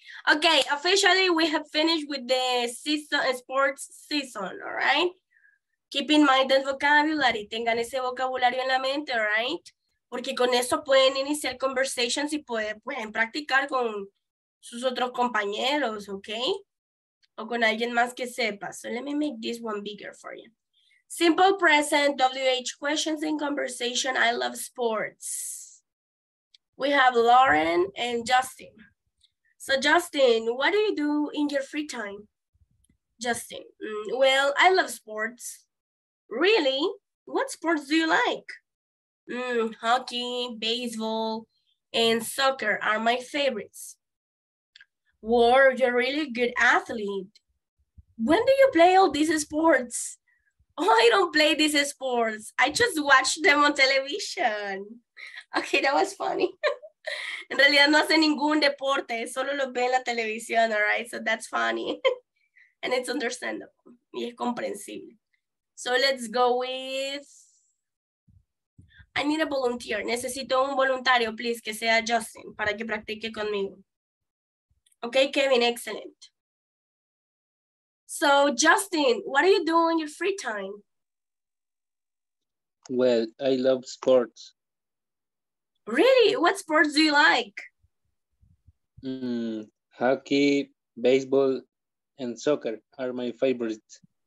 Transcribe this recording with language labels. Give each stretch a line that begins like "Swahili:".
English: Okay, officially we have finished with the season, sports season, all right? Keep in mind the vocabulary.
Spanish: Tengan ese vocabulario en la mente,
English: all right?
Spanish: Porque con eso pueden iniciar conversations y pueden practicar con sus otros compañeros, okay? O con alguien más que sepa.
English: So let me make this one bigger for you. Simple present, WH questions in conversation. I love sports. We have Lauren and Justin. So Justin, what do you do in your free time? Justin, well, I love sports. Really? What sports do you like? Hockey, baseball, and soccer are my favorites. War, you're a really good athlete. When do you play all these sports? Oh, I don't play these sports. I just watch them on television. Okay, that was funny.
Spanish: En realidad no hace ningún deporte, solo lo ve en la televisión, all right?
English: So that's funny. And it's understandable.
Spanish: Y es comprensible.
English: So let's go with... I need a volunteer.
Spanish: Necesito un voluntario, please, que sea Justin, para que practique conmigo.
English: Okay, Kevin, excellent. So, Justin, what are you doing in your free time? Well, I love sports. Really? What sports do you like? Hockey, baseball, and soccer are my favorites.